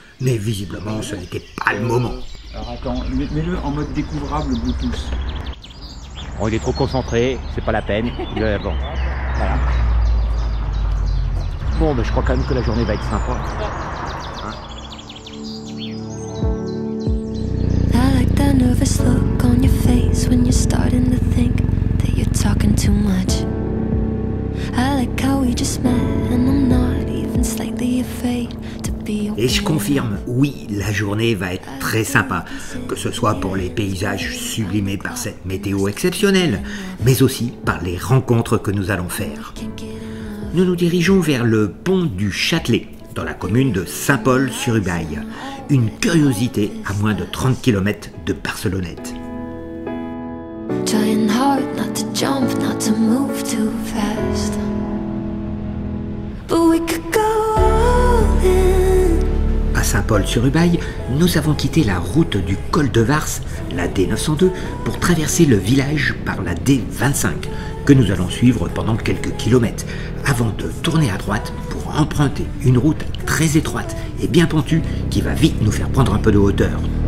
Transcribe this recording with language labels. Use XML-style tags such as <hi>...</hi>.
<fr>Mais visiblement, ce n'était pas le moment. Alors attends, mets-le en mode découvrable Bluetooth. Bon, il est trop concentré, c'est pas la peine. Bon, voilà. Bon, mais je crois quand même que la journée va être sympa. Hein?</fr> <en>Nervous look on your face when you're starting to think that you're talking too much. I like how we just met and I'm not even slightly afraid to be okay.</en> <fr>Et je confirme, oui, la journée va être très sympa, que ce soit pour les paysages sublimés par cette météo exceptionnelle, mais aussi par les rencontres que nous allons faire. Nous nous dirigeons vers le pont du Châtelet, dans la commune de Saint-Paul-sur-Ubaye. Une curiosité à moins de 30 km de Barcelonnette.</fr> <en>Trying hard not to jump, not to move too fast. But we could go in.</en> <fr>À Saint-Paul-sur-Ubaye, nous avons quitté la route du col de Vars, la D902, pour traverser le village par la D25, que nous allons suivre pendant quelques kilomètres, avant de tourner à droite pour emprunter une route très étroite et bien pentue qui va vite nous faire prendre un peu de hauteur.</fr>